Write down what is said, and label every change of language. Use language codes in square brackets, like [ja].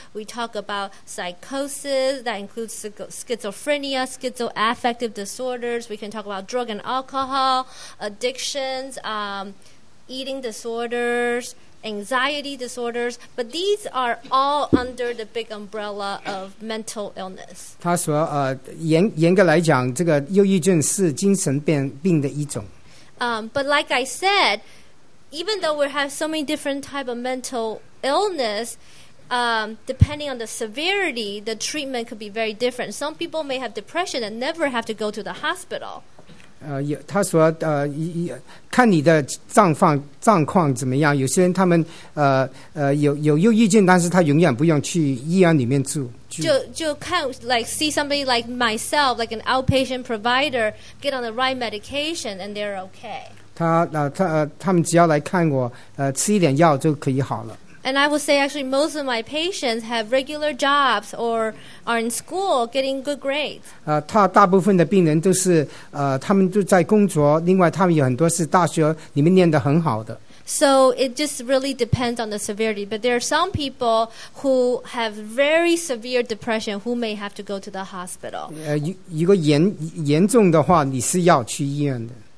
[en] We talk about psychosis. That includes schizophrenia, schizoaffective disorders. We can talk about drug and alcohol, addictions, eating disorders, anxiety disorders, but these are all under the big umbrella of mental illness. [zh] 他说，严格来讲，这个忧郁症是精神病的一种。 [en] But like I said, even though we have so many different types of mental illness, depending on the severity, the treatment could be very different. Some people may have depression and never have to go to the hospital. [zh] 他说，看你的状况怎么样。有些人他们有忧郁症，但是他永远不用去医院里面住。就看 [en] like see somebody like myself, like an outpatient provider, get on the right medication, and they're okay. [zh] 他们只要来看我，吃一点药就可以好了。 [en] And I would say actually most of my patients have regular jobs or are in school getting good grades. [zh] 他大部分的病人都是他们都在工作，另外他们有很多是大学里面念得很好的。 [en] So it just really depends on the severity. But there are some people who have very severe depression who may have to go to the hospital. [zh] 如果严重的话，你是要去医院的。